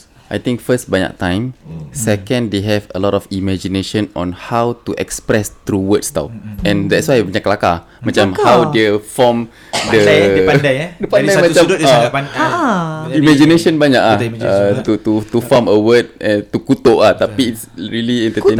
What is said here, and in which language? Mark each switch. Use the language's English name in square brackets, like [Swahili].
[English] I think first [Malay] banyak [English] time, second they have a lot of imagination on how to express through words tau. And that's why [Malay] punya kelakar macam [English] how dia form the [Malay] dia pandai dari macam, satu sudut dia sangat pandai. [English] Imagination [Malay] banyak ah, [English] to form a word to [Malay] kutuk ah, tapi [English] it's really entertaining.